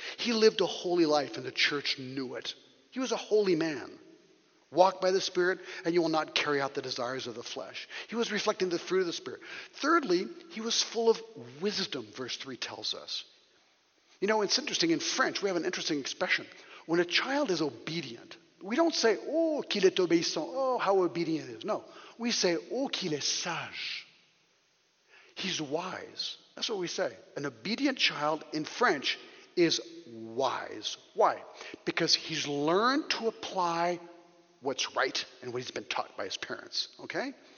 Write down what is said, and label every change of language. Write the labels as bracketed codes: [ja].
[en] He lived a holy life, and the church knew it. He was a holy man. Walk by the Spirit, and you will not carry out the desires of the flesh. He was reflecting the fruit of the Spirit. Thirdly, he was full of wisdom, verse 3 tells us. You know, it's interesting. In French, we have an interesting expression. When a child is obedient, we don't say, [fr] oh, qu'il est obéissant, [en] oh, how obedient he is. No, we say, [fr] oh, qu'il est sage. [en] He's wise. That's what we say. An obedient child in French is wise. Why? Because he's learned to apply what's right and what he's been taught by his parents. Okay?